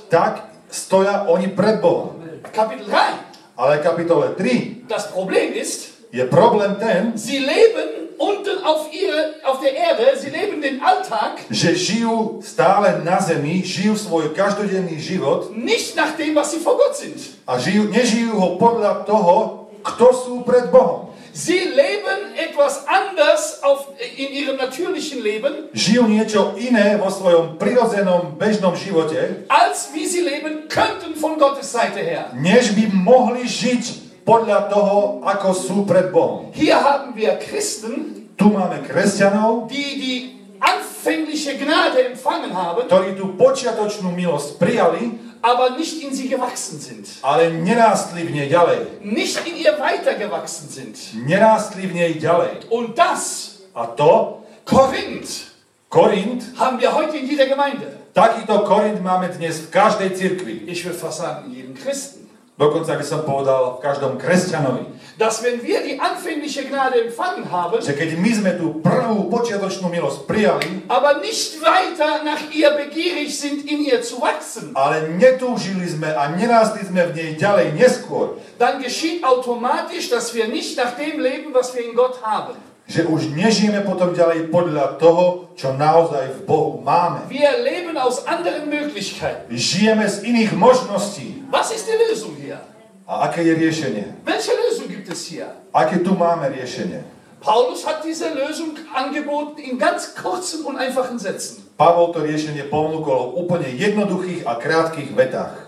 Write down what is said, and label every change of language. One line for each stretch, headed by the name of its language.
Slovak: Tak stoja oni pred Bohom.
German: Kapitel 3.
Slovak: Ale kapitole 3.
German: Das Problem ist.
Slovak: Je problém ten.
German: Sie leben unten auf der Erde. Sie leben den Alltag.
Slovak: Že žijú stále na zemi, žijú svoj každodenný život.
German: Nicht nach dem, was sie vor Gott sind.
Slovak: A nežijú ho podľa toho, kto sú pred Bohom.
German: Sie leben etwas anders in ihrem natürlichen Leben.
Slovak: Žijú niečo iné vo svojom prirodzenom bežnom živote.
German: Als wie sie leben könnten von Gottes Seite her.
Slovak: Než by mohli žiť podľa toho, ako sú pred Bohom.
German: Hier haben wir Christen.
Slovak: Tu máme kresťanov.
German: Die anfängliche Gnade empfangen haben.
Slovak: Ktorí tú počiatočnú milosť prijali.
German: Aber nicht in sie gewachsen sind.
Slovak: Ale nerástli v nej ďalej.
German: Nicht in ihr weitergewachsen sind.
Slovak: Nerástli v nej ďalej.
German: Und das.
Slovak: A to?
German: Korinth.
Slovak: Korinth.
German: Haben wir heute in jeder Gemeinde.
Slovak: Takýto Korinth máme dnes v každej cirkvi.
German: Ich will fast sagen, jeden Christen.
Slovak: Dokonca by som povedal v každom kresťanovi.
German: Dass wenn wir die anfängliche Gnade empfangen haben,
Slovak: že keď my sme tú prvú počiatočnú milosť prijali,
German: aber nicht weiter nach ihr begierig sind in ihr zu wachsen,
Slovak: ale netúžili sme a nerástli sme v nej ďalej neskôr,
German: dann geschieht automatisch, dass wir nicht nach dem leben, was wir in Gott haben.
Slovak: Že už nežijeme potom ďalej podľa toho, čo naozaj v Bohu máme.
German: Wir leben aus anderen Möglichkeiten.
Slovak: Žijeme z iných možností.
German: Was ist die Lösung hier?
Slovak: A aké je riešenie?
German: Welche Lösung gibt es hier?
Slovak: Aké tu máme riešenie?
German: Paulus hat diese Lösung angeboten in ganz kurzen und einfachen Sätzen.
Slovak: Pavol to riešenie ponúkol v úplne jednoduchých a krátkých vetách.